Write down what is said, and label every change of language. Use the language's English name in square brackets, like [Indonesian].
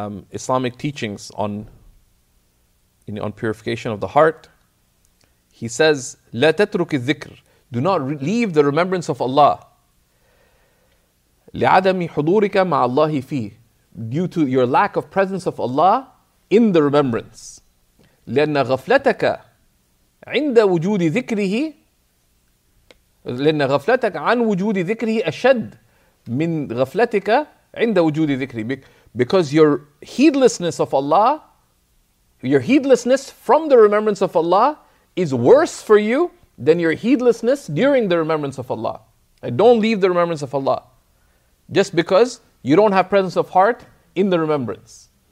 [English] Islamic teachings on purification of the heart, he says, [Arabic] "La tatruk al-dhikr, [English] do not leave the remembrance of Allah, [Arabic] li'adami hudurika ma'a Allahi fi, [English] due to your lack of presence of Allah in the remembrance. [Arabic] لأن غفلتك عند وجود ذكره لأن غفلتك عن وجود ذكره أشد من غفلتك عند وجود ذكره. [English] Because your heedlessness of Allah, your heedlessness from the remembrance of Allah is worse for you than your heedlessness during the remembrance of Allah. And don't leave the remembrance of Allah just because you don't have presence of heart in the remembrance.